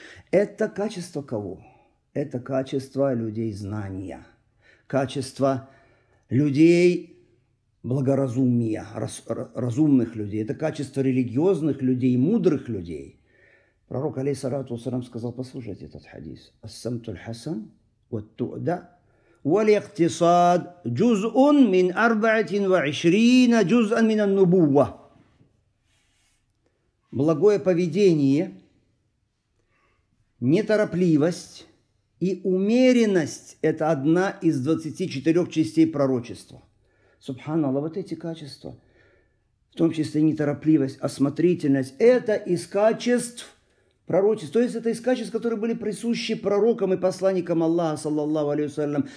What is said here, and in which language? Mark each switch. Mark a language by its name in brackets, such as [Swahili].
[Russian] Это качество кого? Это качество людей знания. Качество людей благоразумия, разумных людей. Это качество религиозных людей, мудрых людей. Пророк, алейхиссалату вассалям, сказал, послушайте этот хадис. [Arabic] «Ассамтуль хасан, ват туда, والاقتصاد جزء من 24 جزءا من النبوة. [Russian] Благое поведение, неторопливость и умеренность – это одна из 24 частей пророчества. Субханаллах, вот эти качества, в том числе неторопливость, осмотрительность – это из качеств пророчества. То есть это из качеств, которые были присущи пророкам и посланникам Аллаха, саллаллаху алейхи ва саллям.